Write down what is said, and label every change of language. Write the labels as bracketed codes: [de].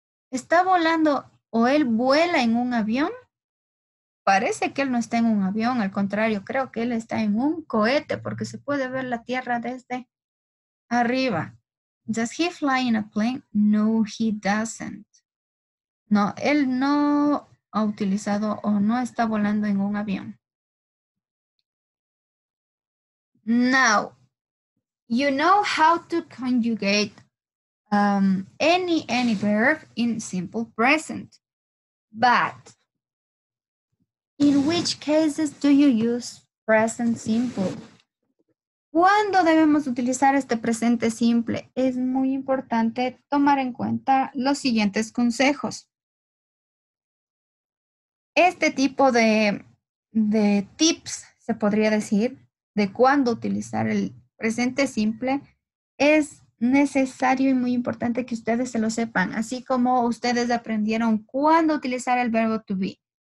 [es] ¿Está volando o él vuela en un avión? Parece que él no está en un avión, al contrario, creo que él está en un cohete porque se puede ver la tierra desde arriba. [en] Does he fly in a plane? No, he doesn't. [es] No, él no ha utilizado o no está volando en un avión. [en] Now, you know how to conjugate any verb in simple present, but in which cases do you use present simple? [es] ¿Cuándo debemos utilizar este presente simple? Es muy importante tomar en cuenta los siguientes consejos. Este tipo de tips, se podría decir, de cuándo utilizar el presente simple, es necesario y muy importante que ustedes se lo sepan, así como ustedes aprendieron cuándo utilizar el verbo to be.